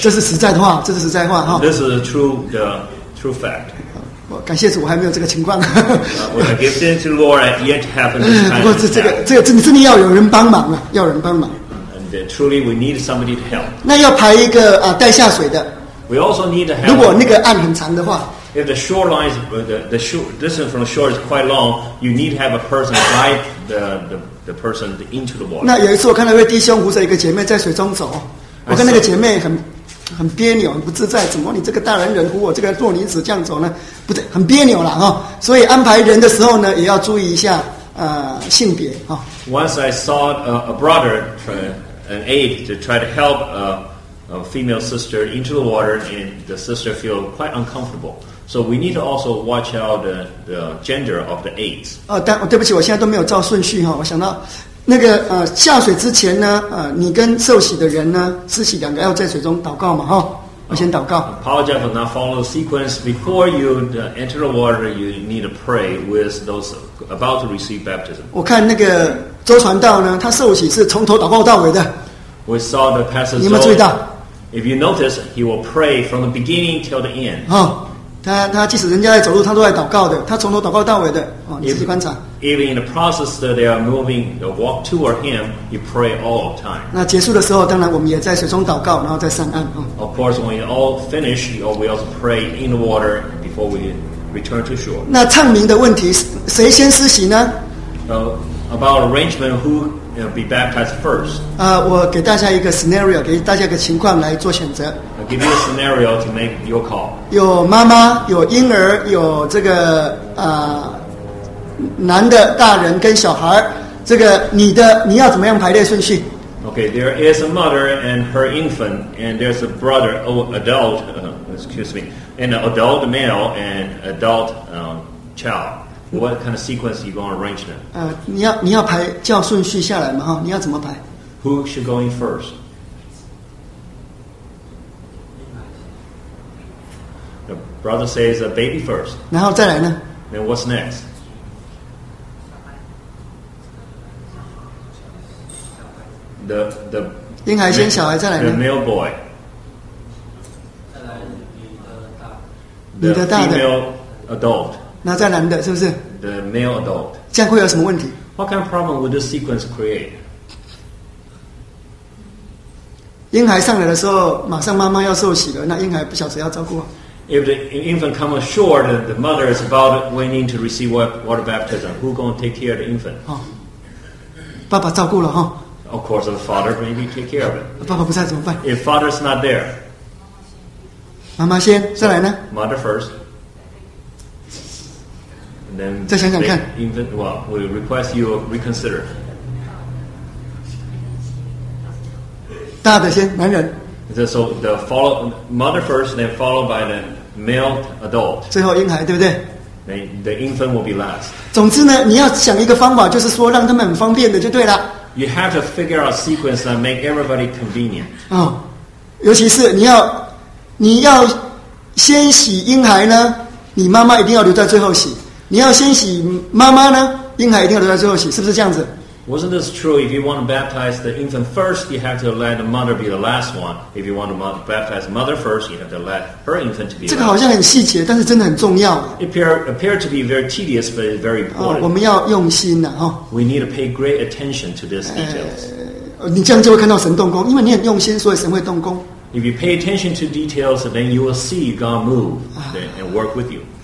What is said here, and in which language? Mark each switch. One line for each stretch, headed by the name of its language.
Chinese: 这是实在的话，这是实在话哈。
English: This is the true fact.
Chinese: 感谢主，我还没有这个情况。我的
English: gift into Lord yet happened.
Chinese: 不过这个真的要有人帮忙啊，要人帮忙。
English: And truly, we need somebody to help.
Chinese: 那要排一个带下水的。
English: We also need to help.
Chinese: 如果那个岸很长的话
English: ，If the shoreline the distance from the shore is quite long, you need to have a person guide the person into the water.
Chinese: 那有一次我看到一位弟兄扶着一个姐妹在水中走，我跟那个姐妹很别扭，很不自在。怎么你这个大男人扶我这个弱女子这样走呢？不对，很别扭了。所以安排人的时候呢，也要注意一下性别。
English: Once I saw a brother, an aide, to try to help female sister into the water, and the sister feel quite uncomfortable. So we need to also watch out the gender of the aids.
Chinese: 对不起，我现在都没有照顺序哈。我想到那个下水之前呢，你跟受洗的人呢，自己两个要在水中祷告嘛哈。我先祷告。
English: Apologize for not following the sequence. Before you enter the water, you need to pray with those about to receive baptism.
Chinese: 我看那个周传道呢，他受洗是从头祷告到尾的。
English: We saw the pastor.
Chinese: 你有没有注意到
English: ？If you notice, he will pray from the beginning till the end.
Chinese: 哦，他即使人家在走路，他都在祷告的，他从头祷告到尾的。哦，你自己观察。
English: Even in the process that they are moving, they walk toward him, you pray all the time.
Chinese: 那结束的时候，当然我们也在水中祷告，然后再上岸。
English: Of course, when you all finish, we also pray in the water before we return to shore.
Chinese: 那唱名的问题，谁先施洗呢？
English: About arrangement, who be baptized first?
Chinese: 我给大家一个 scenario， 给大家一个情况来做选择。
English: I'll give you a scenario to make your call.
Chinese: 有妈妈，有婴儿，有这个男的大人跟小孩，这个你要怎么样排列顺序
English: ？Okay, there is a mother and her infant, and there's a brother, adult, excuse me, and an adult male and adult child. What kind of sequence you gonna arrange them?
Chinese: 你要排叫顺序下来嘛哈？你要怎么排
English: ？Who should go in first? The brother says a baby first.
Chinese: 然后再来呢
English: ？Then what's next? The
Chinese: 婴孩先，小孩再来呢。
English: The male boy，
Chinese: 再来女的大的。
English: The female adult，
Chinese: 那再男的，是不是
English: ？The male adult，
Chinese: 这样会有什么问题
English: ？What kind of problem would this sequence create？
Chinese: 婴孩上来的时候，马上妈妈要受洗了，那婴孩不晓得要照顾。
English: If the infant comes ashore, the mother is about waiting to receive water baptism. Who going to take care of the infant？
Chinese: 爸爸照顾了哈。
English: Of course, the father maybe take care of it.
Chinese: 爸爸不在怎么办
English: ？If father's not there,
Chinese: 妈妈先，再来呢
English: ？Mother first, and then
Chinese: 再想想看。
English: Infant, well, we request you reconsider.
Chinese: 大的先，男人。
English: So the follow mother first, then followed by the male adult.
Chinese: 最后婴孩，对不对？
English: The infant will be last.
Chinese: 总之呢，你要想一个方法，就是说让他们很方便的，就对了。
English: You have to figure out a sequence that make everybody convenient.
Chinese: 尤其是你要先洗婴孩呢，你妈妈一定要留在最后洗。你要先洗妈妈呢，婴孩一定要留在最后洗，是不是这样子
English: ？Wasn't this true? If you want to baptize the infant first, you have to let the mother be the last one. If you want to baptize mother first, you have to let her infant to be.
Chinese: 这个好像很细节，但是真的很重要。
English: It appear to be very tedious, but it's very important.
Chinese: 我们要用心的、
English: We need to pay great attention to these details.
Chinese: 你这样就会看到神动工，因为你很用心，所以神会动工。
English: If you pay attention to details, then you will see God move and work with you.